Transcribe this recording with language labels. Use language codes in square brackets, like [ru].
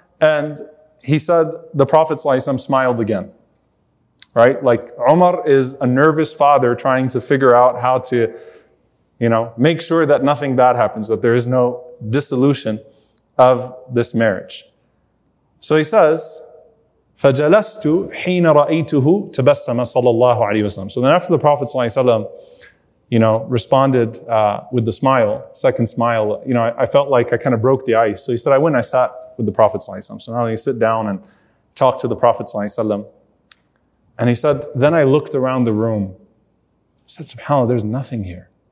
[en] And he said, the Prophet ﷺ smiled again. Right? Like Umar is a nervous father trying to figure out how to, you know, make sure that nothing bad happens, that there is no dissolution of this marriage. So he says, [ar] فَجَلَسْتُ حِينَ رَأَيْتُهُ تَبَسَّمَ صَلَى اللَّهُ عَلَيْهِ وَسَلَّمَ. [en] So then after the Prophet ﷺ, you know, responded with the smile, second smile, you know, I felt like I kind of broke the ice. So he said, I went and I sat with the Prophet ﷺ. So now they sit down and talk to the Prophet ﷺ. And he said, then I looked around the room. I said, SubhanAllah, there's nothing here.